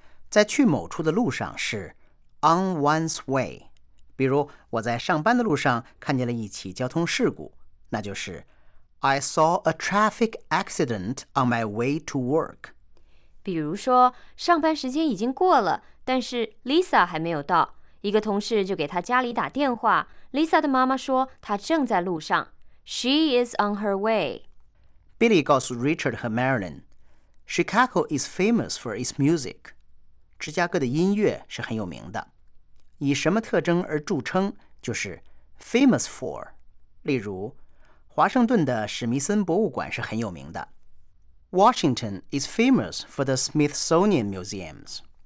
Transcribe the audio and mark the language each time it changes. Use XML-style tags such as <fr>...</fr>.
<zh>在去某处的路上是</zh> <en>On one's way，</en> <zh>比如我在上班的路上看见了一起交通事故，那就是</zh> <en>I saw a traffic accident on my way to work.</en> <zh>比如说，上班时间已经过了，但是 Lisa 还没有到，一个同事就给她家里打电话。 Lisa 的妈妈说她正在路上。</zh> <en>She is on her way. Billy</en> <zh>告诉</zh> <en>Richard 和 Marilyn, Chicago is famous for its music.</en> <zh>芝加哥的音乐是很有名的。以什么特征而著称，就是 famous for。例如华盛顿的史密森博物馆是很有名的。</zh> <en>Washington is famous for the Smithsonian Museums。</en>